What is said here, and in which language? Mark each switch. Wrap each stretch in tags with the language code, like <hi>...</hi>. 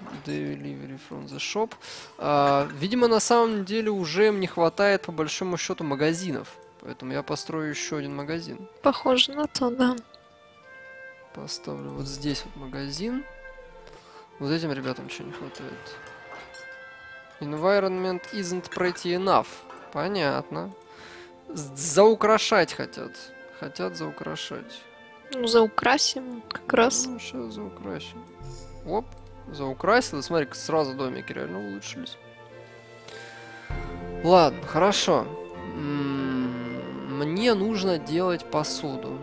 <en>Delivery from the shop.</en> <ru>Видимо, на самом деле уже им не хватает, по большому счету, магазинов. Поэтому я построю еще один магазин. Похоже на то, да. Поставлю вот здесь вот магазин. Вот этим ребятам чего не хватает?</ru> <en>Environment isn't pretty enough.</en> <ru>Понятно. Заукрашать хотят. Хотят заукрашать. Ну, заукрасим как раз. Ну, сейчас заукрасим. Оп, заукрасил. Смотри, сразу домики реально улучшились. Ладно, хорошо. Мне нужно делать посуду.</ru>